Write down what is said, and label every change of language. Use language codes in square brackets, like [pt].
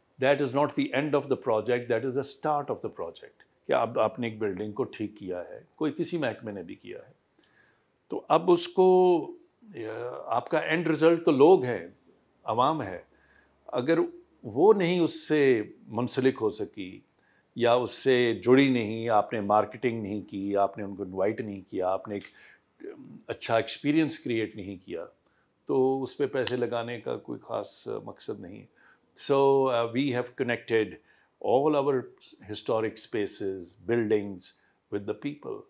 [en] That is not the end of the project, that is the start of the project. [ur] کہ اب آپ نے ایک بلڈنگ کو ٹھیک کیا ہے, کوئی کسی محکمے نے بھی کیا ہے, تو اب اس کو آپ کا اینڈ رزلٹ تو لوگ ہیں, عوام ہے. اگر وہ نہیں اس سے منسلک ہو سکی یا اس سے جڑی نہیں, آپ نے مارکیٹنگ نہیں کی, آپ نے ان کو انوائٹ نہیں کیا, آپ نے ایک اچھا ایکسپیرئنس کریٹ نہیں کیا, تو اس پہ پیسے لگانے کا کوئی خاص مقصد نہیں ہے. [en] So we have connected all our historic spaces, buildings with the people.